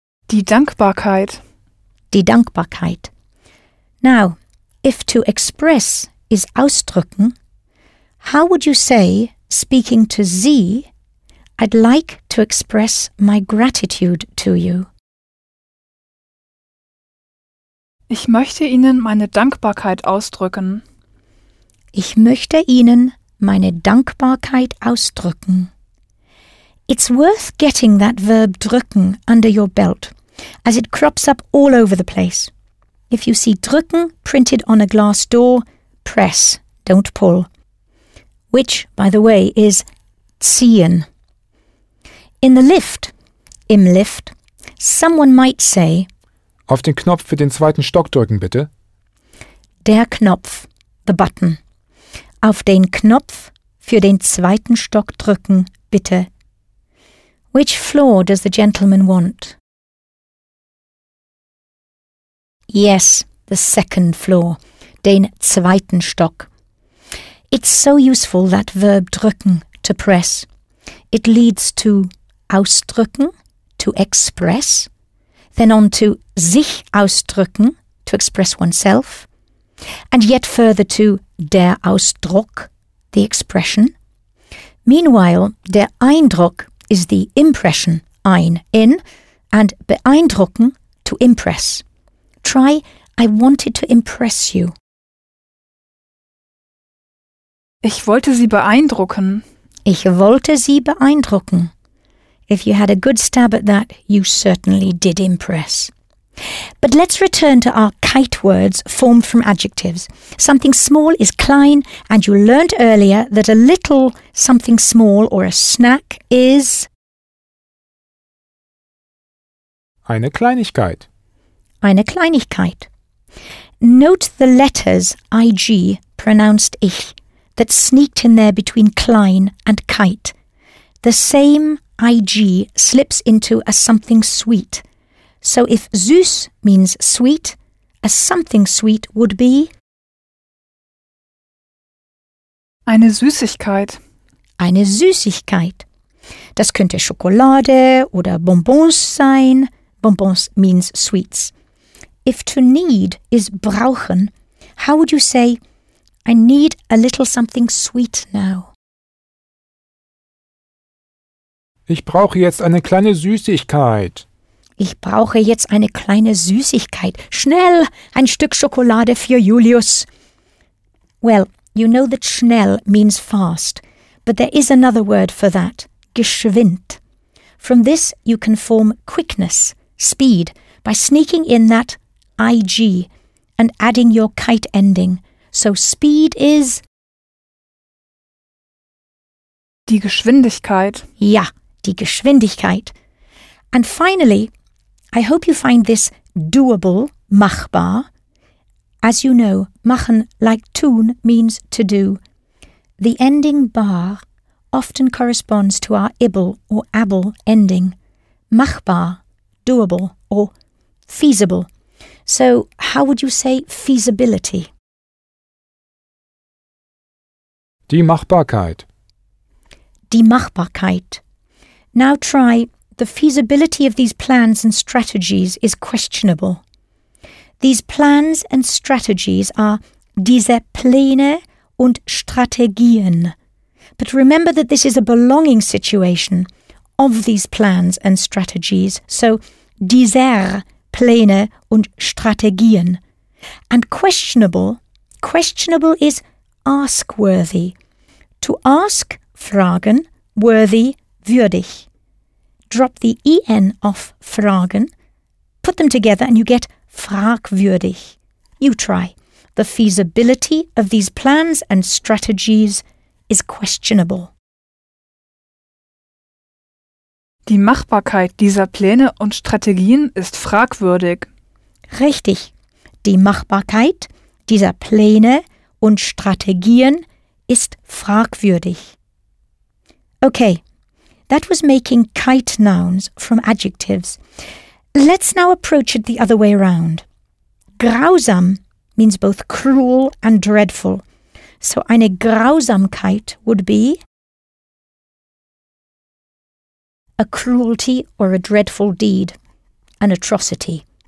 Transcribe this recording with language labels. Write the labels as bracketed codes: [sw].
[de] Die Dankbarkeit. Die Dankbarkeit. [en] Now, if to express is ausdrücken, how would you say, speaking to Z, I'd like to express my gratitude to you? [de] Ich möchte Ihnen meine Dankbarkeit ausdrücken. Ich möchte Ihnen meine Dankbarkeit ausdrücken. [en] It's worth getting that verb drücken under your belt, as it crops up all over the place. If you see drücken printed on a glass door, press, don't pull. Which, by the way, is ziehen. In the lift, [de] im Lift, [en] someone might say, [de] Auf den Knopf für den zweiten Stock drücken, bitte. Der Knopf, [en] the button. [de] Auf den Knopf für den zweiten Stock drücken, bitte. [en] Which floor does the gentleman want? Yes, the second floor, [de] den zweiten Stock. [en] It's so useful, that verb drücken, to press. It leads to ausdrücken, to express, then on to sich ausdrücken, to express oneself, and yet further to der Ausdruck, the expression. Meanwhile, der Eindruck is the impression, ein, in, and beeindrucken, to impress. Try, I wanted to impress you. [de] Ich wollte sie beeindrucken. Ich wollte sie beeindrucken. [en] If you had a good stab at that, you certainly did impress. But let's return to our kite words formed from adjectives. Something small is klein, and you learnt earlier that a little something small or a snack is... [de] Eine Kleinigkeit. Eine Kleinigkeit. [en] Note the letters IG, pronounced ich, that sneaked in there between klein and kite. The same IG slips into a something sweet. So if süß means sweet, a something sweet would be... [de] Eine Süßigkeit. Eine Süßigkeit. Das könnte Schokolade oder Bonbons sein. [en] Bonbons means sweets. If to need is brauchen, how would you say, I need a little something sweet now? [de] Ich brauche jetzt eine kleine Süßigkeit. Ich brauche jetzt eine kleine Süßigkeit. Schnell, ein Stück Schokolade für Julius. [en] Well, you know that schnell means fast, but there is another word for that, geschwind. From this, you can form quickness, speed, by sneaking in that IG and adding your kite ending. So speed is... [de] Die Geschwindigkeit. Ja, die Geschwindigkeit. [en] And finally, I hope you find this doable, machbar. As you know, machen, like tun, means to do. The ending bar often corresponds to our ibel or abel ending. Machbar, doable, or feasible. So, how would you say feasibility? [de] Die Machbarkeit. Die Machbarkeit. [en] Now try, the feasibility of these plans and strategies is questionable. These plans and strategies are [de] diese Pläne und Strategien. [en] But remember that this is a belonging situation of these plans and strategies, so [de] dieser Pläne und Strategien. [en] And questionable is ask-worthy. To ask, fragen, worthy, würdig. Drop the en off fragen, put them together and you get fragwürdig. You try. The feasibility of these plans and strategies is questionable. [de] Die Machbarkeit dieser Pläne und Strategien ist fragwürdig. Richtig. Die Machbarkeit dieser Pläne und Strategien ist fragwürdig. [en] Okay, that was making kite nouns from adjectives. Let's now approach it the other way around. Grausam means both cruel and dreadful. So eine Grausamkeit would be a cruelty or a dreadful deed, an atrocity.